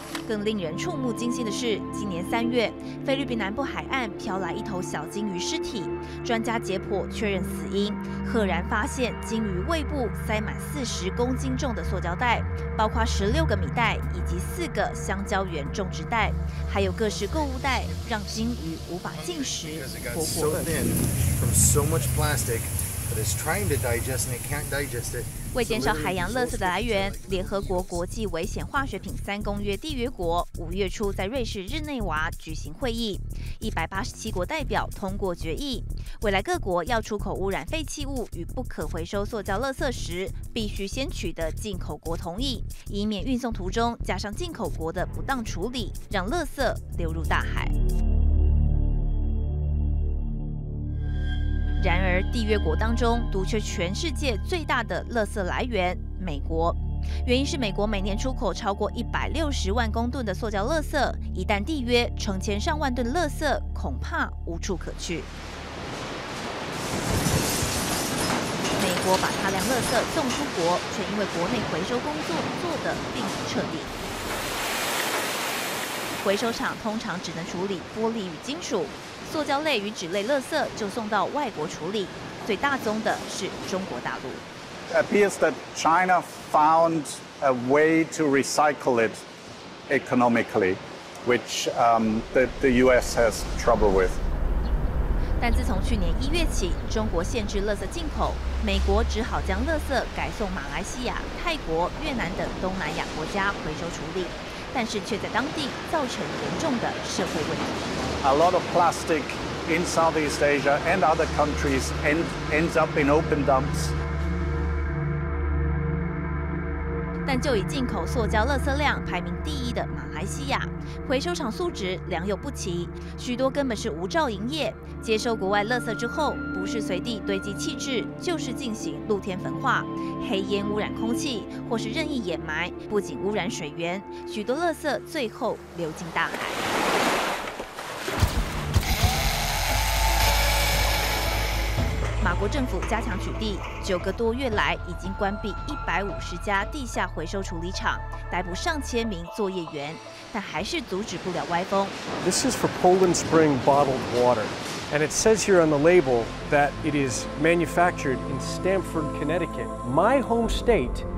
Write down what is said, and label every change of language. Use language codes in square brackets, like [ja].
[zh] 更令人触目惊心的是，今年3月，菲律宾南部海岸飘来一头小鲸鱼尸体，专家解剖确认死因，赫然发现鲸鱼胃部塞满40公斤重的塑胶袋，包括16个米袋以及4个香蕉圆种植袋，还有各式购物袋，让鲸鱼无法进食，活活饿死。 [en] But it's trying to digest and it can't digest it. [zh] 为减少海洋垃圾的来源，联合国国际危险化学品三公约缔约国5月初在瑞士日内瓦举行会议，187国代表通过决议，未来各国要出口污染废弃物与不可回收塑胶垃圾时，必须先取得进口国同意，以免运送途中加上进口国的不当处理，让垃圾流入大海。然而，缔约国当中独缺全世界最大的垃圾来源——美国。原因是美国每年出口超过160万公吨的塑胶垃圾，一旦缔约，成千上万吨垃圾恐怕无处可去。美国把大量垃圾送出国，却因为国内回收工作做得并不彻底。回收厂通常只能处理玻璃与金属。塑胶类与纸类垃圾就送到外国处理，最大宗的是中国大陆。 [en] It appears that China found a way to recycle it economically, which the U.S. has trouble with. [zh] 但自从去年1月起，中国限制垃圾进口，美国只好将垃圾改送马来西亚、泰国、越南等东南亚国家回收处理。但是却在当地造成严重的社会问题。 [en] A lot of plastic in Southeast Asia and other countries ends up in open dumps. [zh] 但就以进口塑胶垃圾量排名第一的马来西亚，回收厂素质良莠不齐，许多根本是无照营业，接收国外垃圾之后，不是随地堆积弃置，就是进行露天焚化，黑烟污染空气，或是任意掩埋，不仅污染水源，许多垃圾最后流进大海。法国政府加强取缔，9个多月来已经关闭150家地下回收处理厂，逮捕上千名作业员，但还是阻止不了歪风。 [en] This is for Poland Spring bottled water, and it says here on the label that it is manufactured in Stamford, Connecticut, my home state.